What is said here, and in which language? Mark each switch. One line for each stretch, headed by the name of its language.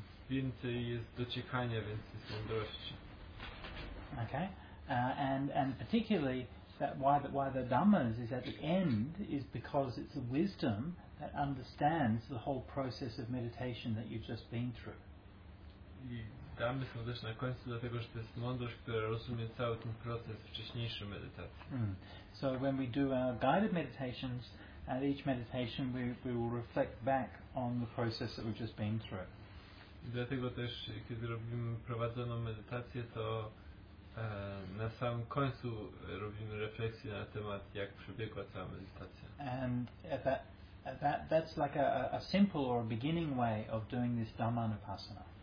Polish: Więcej jest dociekania, więcej jest mądrości.
English: Okay, and particularly that why the dhammas is at the end is because it's the wisdom that understands the whole process of meditation that you've just been through.
Polish: I dhammy są też na końcu dlatego, że to jest mądrość, która rozumie cały ten proces wcześniejszej medytacji. Mm.
English: So when we do our guided meditations, at each meditation we will reflect back on the process that we've just been through.
Polish: Dlatego też, kiedy robimy prowadzoną medytację, to na samym końcu robimy refleksję na temat, jak przebiegła cała medytacja.
English: And that's like a simple or a beginning way of doing this dhammanupassana.